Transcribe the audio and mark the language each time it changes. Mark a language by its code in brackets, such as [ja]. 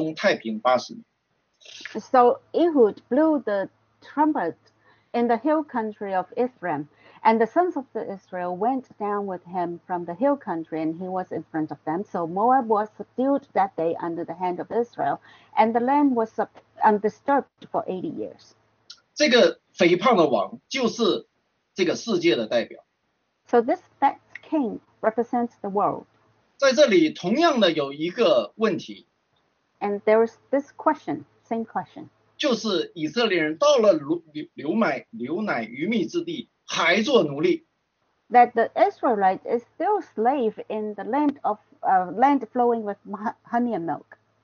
[zh] 以色列人随他下了山，这他在前面引路，这样摩亚人就被以色列人制服了，国中太平80年。 [en] So Ehud blew the trumpet in the hill country of Ephraim, and the sons of the Israel went down with him from the hill country, and he was in front of them. So Moab was subdued that day under the hand of Israel, and the land was undisturbed for 80 years. [zh] 这个肥胖的王就是。这个世界的代表. [en] So this fat king represents the world. [zh] 在这里同样的有一个问题. [en] And there is this question, same question. [zh] 就是以色列人到了牛奶鱼蜜之地，还做奴隶. [en] That the Israelite is still slave in the land of land flowing with honey and milk.